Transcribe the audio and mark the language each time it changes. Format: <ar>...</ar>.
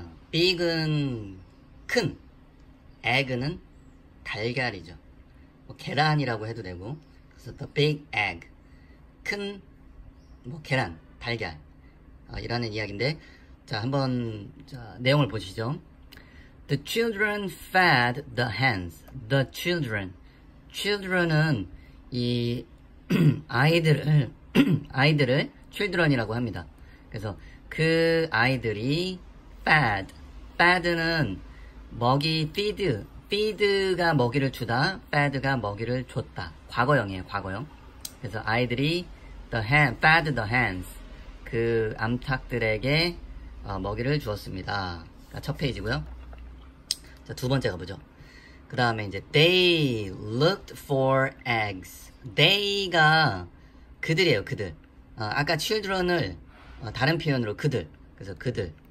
<ko>Big은 큰, Egg는 달걀이죠. 뭐 계란이라고 해도 되고, 그래서</ko> <en>The Big Egg.</en> <ko>큰, 뭐 계란, 달걀. 이라는 이야기인데, 자, 한번 자, 내용을 보시죠.</ko> <en>The children fed the hens. The children.</en> <ko>Children은 이 아이들을 children이라고 합니다. 그래서 그 아이들이 fed는 먹이 feed가 먹이를 주다, fed가 먹이를 줬다. 과거형이에요, 과거형. 그래서 아이들이</ko> <en>fed the hens</en> <ko>그 암탉들에게 먹이를 주었습니다. 그러니까 첫 페이지고요. 자, 두 번째 가보죠. 그 다음에 이제</ko> <en>they looked for eggs.</en> <ko>they가 그들이에요, 그들. 아까 children을 다른 표현으로 그들. 그래서 그들.</ko>